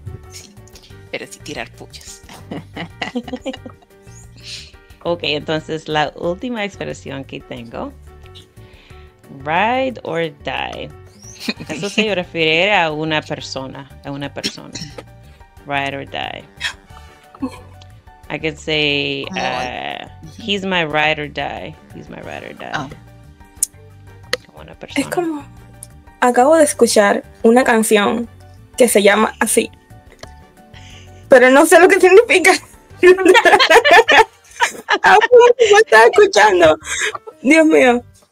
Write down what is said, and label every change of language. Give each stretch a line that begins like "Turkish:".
Spanish: Sí, pero sí tirar puyas. Ok, entonces la última expresión que tengo. Ride or die. Eso se refiere a una persona, a una persona.
English: Ride or die. I could say, he's my ride or die. He's my ride or die.
Spanish: Oh. Una persona. Es como, acabo de escuchar una canción que se llama así. Pero no sé lo que significa. ¿Cómo estás escuchando? Dios mío.